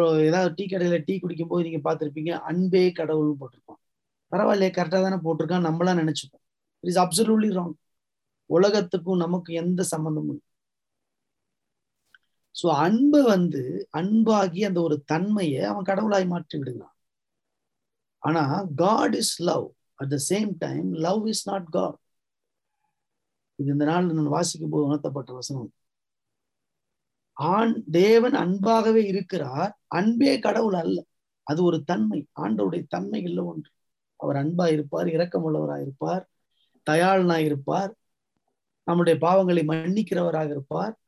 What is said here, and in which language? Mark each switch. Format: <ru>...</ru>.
<ta>ஏதாவது டீ கடையில டீ குடிக்கும் போது நீங்க பாத்திருப்பீங்க, அன்பே கடவுள்னு போட்டிருப்பான். பரவாயில்லையே, கரெக்டா தானே போட்டிருக்கான், நம்மளா நினைச்சுப்போம். It is absolutely wrong. உலகத்துக்கும் நமக்கும் எந்த சம்பந்தமும் இல்லை. சோ அன்பு வந்து அன்பாகி அந்த ஒரு தன்மையை அவன் கடவுளாய் மாற்றி விடுகிறான்.</ta> <en>ஆனா God is love. At the same time, love is not God.</en> <ta>இது இந்த நாள் நான் வாசிக்கும் போது உணர்த்தப்பட்ட வசனம். தேவன் அன்பாகவே இருக்கிறார், அன்பே கடவுள் அல்ல. அது ஒரு தன்மை, ஆண்டவருடைய தன்மை இல்லை ஒன்று. அவர் அன்பா இருப்பார், இரக்கம் உள்ளவராக இருப்பார், தயாளனாக இருப்பார், நம்முடைய பாவங்களை மன்னிக்கிறவராக இருப்பார்.</ta>